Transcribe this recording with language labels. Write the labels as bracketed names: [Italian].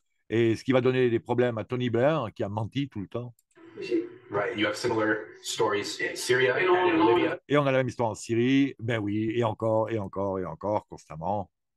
[French] Et ce qui va donner des problèmes à Tony Blair qui a menti tout le temps. [English] Right, you have similar stories in Syria and in Libya. [French] Et on a la même histoire en Syrie, ben oui, et encore, constamment.